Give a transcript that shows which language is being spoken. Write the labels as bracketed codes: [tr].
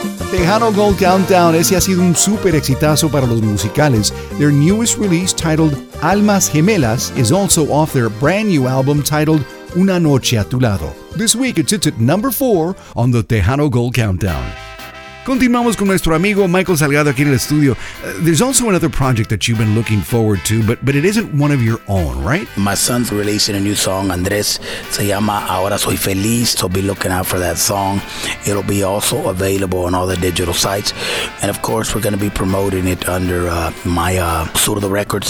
[es] Tejano Gold Countdown, ese ha sido un súper exitazo para los musicales. [en] Their newest release, titled Almas Gemelas, is also off their brand new album titled Una Noche a Tu Lado. This week it sits at number 4 on the Tejano Gold Countdown. [es] Continuamos con nuestro amigo Michael Salgado aquí en el estudio. [en] There's also another project that you've been looking forward to, but it isn't one of your own, right? My son's releasing a new song, Andres. [es] Se llama [en] Ahora Soy Feliz. So be looking out for that song. It'll be also available on all the digital sites. And of course, we're going to be promoting it under my Zurdo Records.